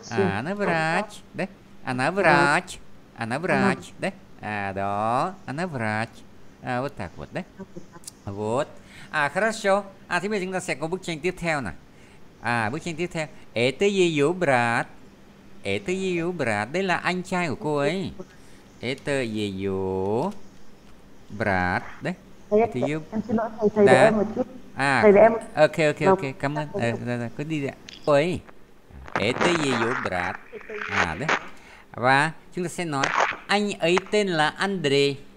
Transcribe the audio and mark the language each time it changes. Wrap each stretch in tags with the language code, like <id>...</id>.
<vi>Anna Vrach, đấy, Anna Vrach, Anna Vrach, đấy, đó, Anna Vrach,</vi> <ru>вот так вот,</ru> <vi>đấy,</vi> <ru>вот, хорошо,</ru> <vi>thế bây giờ chúng ta sẽ có bức tranh tiếp theo nè, bức tranh tiếp theo,</vi> <ru>это её брат. Это её брат,</ru> <vi>đây là anh trai của cô ấy.</vi> <ru>Это её брат, đấy.</ru> <vi>Thì em xin lỗi thầy, thầy để em một chút. Ok ok ok, cảm ơn. Cứ đi đi. Cô ấy.</vi> <ru>Это её брат.</ru> <vi>Đấy. Và chúng ta sẽ nói anh ấy tên là Andre.</vi>